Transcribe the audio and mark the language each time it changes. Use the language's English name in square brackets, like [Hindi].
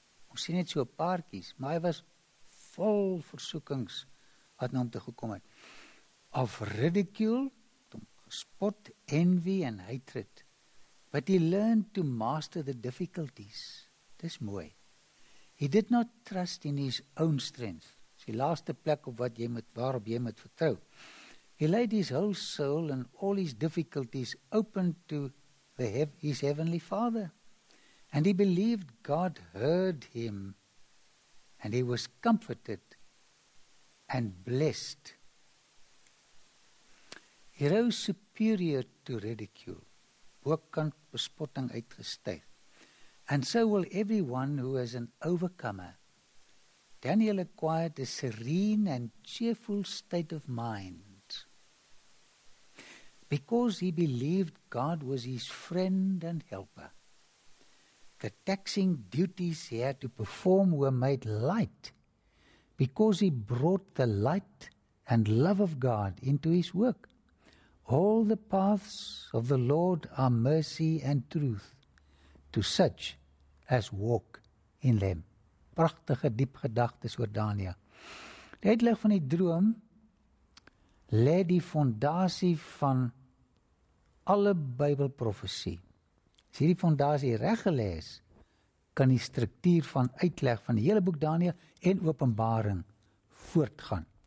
[Afrikaans] Ons sien net so paartjies, maar hy was vol versoekings wat na hom toe gekom het. [English] Of ridicule, spot, envy and hatred. But he learned to master the difficulties. [Afrikaans] Dis mooi. [English] He did not trust in his own strength. [Afrikaans] Dis die laaste plek op wat jy moet, waarop jy moet vertrou. [English] He laid his whole soul and all his difficulties open to his heavenly father. And he believed God heard him and he was comforted and blessed. He rose superior to ridicule, [Afrikaans] bokant bespotting uitgestyg. [English] And so will everyone who is an overcomer. Daniel acquired a serene and cheerful state of mind. Because he believed God was his friend and helper, the taxing duties he had to perform were made light because he brought the light and love of God into his work. All the paths of the Lord are mercy and truth to such as walk in them. [Afrikaans] Pragtige diep gedagtes oor Daniel. Die uitleg van die droom lê die fondasie van alle Bybelprofesie. As hierdie fondasie reggelê is, kan die struktuur van uitleg van die hele boek Daniel en Openbaring voortgaan.